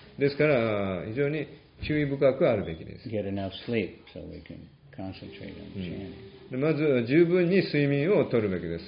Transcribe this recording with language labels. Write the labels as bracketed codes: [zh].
[ja] ですから非常に注意深くあるべきです。 [en] Get enough sleep so we can concentrate on the chanting. [ja] まず十分に睡眠をとるべきです。